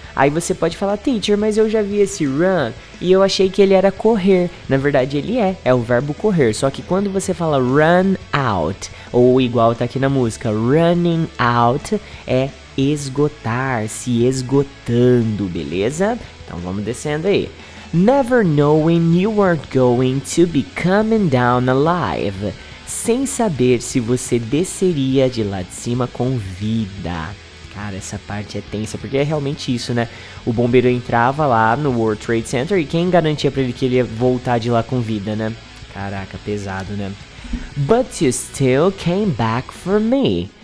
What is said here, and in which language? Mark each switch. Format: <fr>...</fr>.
<pt>Aí você pode falar, teacher, mas eu já vi esse run e eu achei que ele era correr. Na verdade, ele é. É o verbo correr. Só que quando você fala run out, ou igual tá aqui na música, running out, é esgotar, se esgotando, beleza? Então vamos descendo aí.</pt> <en>Never knowing you were going to be coming down alive.</en> <pt>Sem saber se você desceria de lá de cima com vida. Cara, essa parte é tensa, porque é realmente isso, né? O bombeiro entrava lá no World Trade Center e quem garantia pra ele que ele ia voltar de lá com vida, né? Caraca, pesado, né?</pt> <en>But you still came back for me.</en>